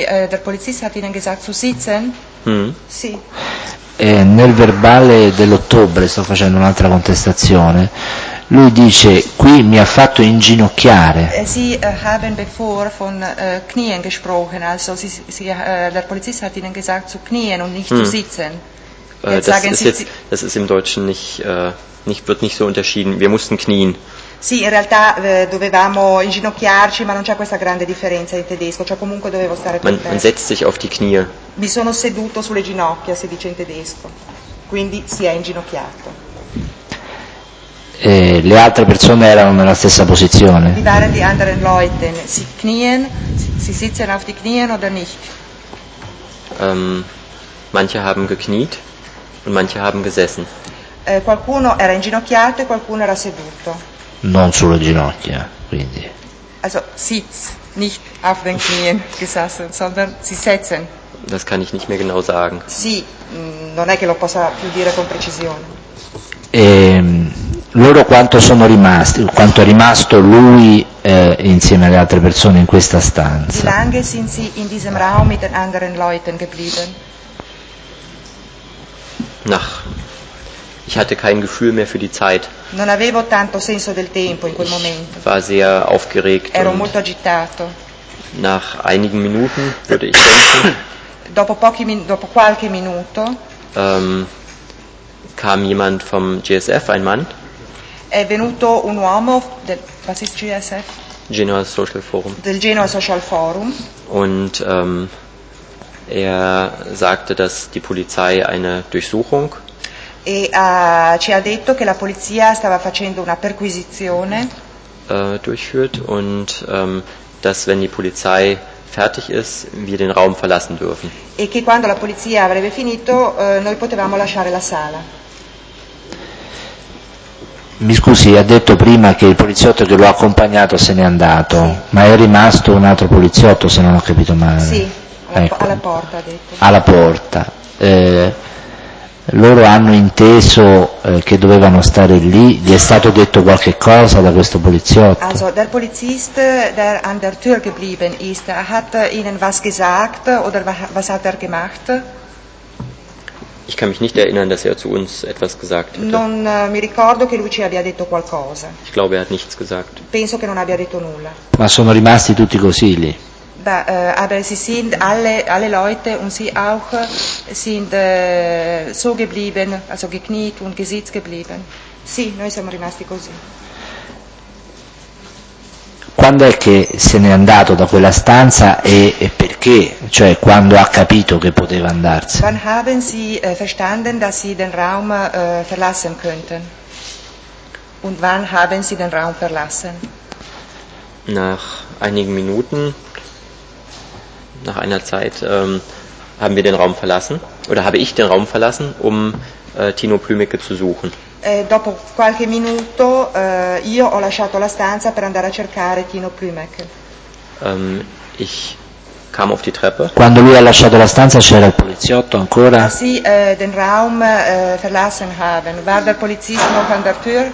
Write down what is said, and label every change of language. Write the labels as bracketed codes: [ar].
[de] Der Polizist hat Ihnen gesagt zu sitzen? [it] Sì. Nel verbale dell'ottobre, sto facendo un'altra contestazione, lui dice: qui mi ha fatto inginocchiare. [de] Sie haben bevor von Knien gesprochen, also der Polizist hat Ihnen gesagt zu Knien und nicht zu sitzen. Das ist im Deutschen nicht wird nicht so unterschieden. Wir mussten knien. [it] Sì, in realtà dovevamo inginocchiarci, ma non c'è questa grande differenza in tedesco, cioè comunque dovevo stare per [de] terra. Man setzt sich auf die Knie. [it] Mi sono seduto sulle ginocchia, si dice in tedesco, quindi si è inginocchiato. Le altre persone erano nella stessa posizione? [de] Die waren die anderen Leuten, sie knien, sie sitzen auf die Knien oder nicht? Manche haben gekniet und manche haben gesessen. [it] Qualcuno era inginocchiato e qualcuno era seduto. Non sulle ginocchia, quindi. [de] Also sitz, nicht auf den Knien gesessen, sondern si setzen. Das kann ich nicht mehr genau sagen. [it] Sì, non è che lo possa più dire con precisione. Loro quanto sono rimasti, quanto è rimasto lui insieme alle altre persone in questa stanza? [de] Wie lange sind sie in diesem Raum mit den anderen Leuten geblieben? Nach. Ich hatte kein Gefühl mehr für die Zeit. [it] Non avevo tanto senso del tempo in quel momento. [de] War sehr aufgeregt. [it] Ero molto agitato. [de] Nach einigen Minuten würde ich denken. [it] Dopo qualche minuto. [de] Kam jemand vom GSF, ein Mann. [it] È venuto un uomo del. [de] Was ist GSF? [en] Genoa Social Forum. [it] Del Genoa Social Forum. [de] Und er sagte, dass die Polizei eine Durchsuchung. [it] E ci ha detto che la polizia stava facendo una perquisizione. [de] Durchführt und dass wenn die Polizei fertig ist, wir den Raum verlassen dürfen. [it] E che quando la polizia avrebbe finito, noi potevamo lasciare la sala. Mi scusi, ha detto prima che il poliziotto che lo ha accompagnato se n'è andato, ma è rimasto un altro poliziotto, se non ho capito male. Sì, ecco. Alla porta ha detto. Alla porta. loro hanno inteso che dovevano stare lì, gli è stato detto qualche cosa da questo poliziotto? [de] Also der Polizist, der an der Tür geblieben ist, hat ihnen was gesagt oder was hat er gemacht? Ich kann mich nicht erinnern, dass er zu uns etwas gesagt hätte. [it] Non mi ricordo che lui ci abbia detto qualcosa. [de] Ich glaube, er hat nichts gesagt. [it] Penso che non abbia detto nulla. Ma sono rimasti tutti così lì. [de] Aber sie sind alle Leute und sie auch sind so geblieben, also gekniet und gesitzt geblieben. [it] Sì, noi siamo rimasti così. Quando è che se n'è andato da quella stanza e perché? Cioè quando ha capito che poteva andarsene? [de] Wann haben Sie verstanden, dass Sie den Raum verlassen könnten? Und wann haben Sie den Raum verlassen? Nach einigen Minuten, nach einer Zeit, haben wir den Raum verlassen, oder habe ich den Raum verlassen, um Tino Plümecke zu suchen. [it] Dopo qualche minuto io ho lasciato la stanza per andare a cercare Tino Plümecke. [de] Ich kam auf die Treppe. [it] Quando lui ha lasciato la stanza c'era il poliziotto ancora? [de] Sì, den Raum verlassen haben. War der Polizist noch an der Tür?